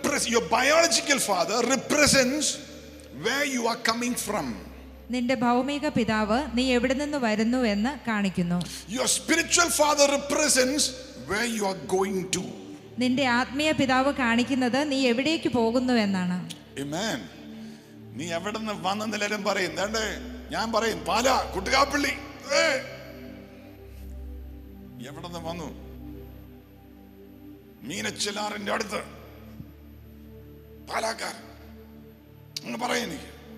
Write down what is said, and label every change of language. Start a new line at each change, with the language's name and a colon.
English: your biological father represents where you are coming from.
Malayalam: നിന്റെ ഭൗമിക പിതാവ് നീ എവിടെ നിന്ന് വരുന്നു എന്ന് കാണിക്കുന്നു.
English: Your spiritual father represents where you are going to.
Malayalam: നിന്റെ ആത്മീയ പിതാവ് കാണിക്കുന്നത് നീ എവിടേക്ക് പോകുന്നു എന്നാണ്. Amen. നീ എവിടെ നിന്ന് വന്നെന്ന് എല്ലാവരും പറയും. ഞാൻ പറയും പാല കുട്ടികാപ്പിള്ളി എവിടെ നിന്ന് വന്നു മീനച്ചിലാറിന്റെ അടുത്ത് പാലാക്കാർ അങ്ങ് പറയാ എനിക്ക്.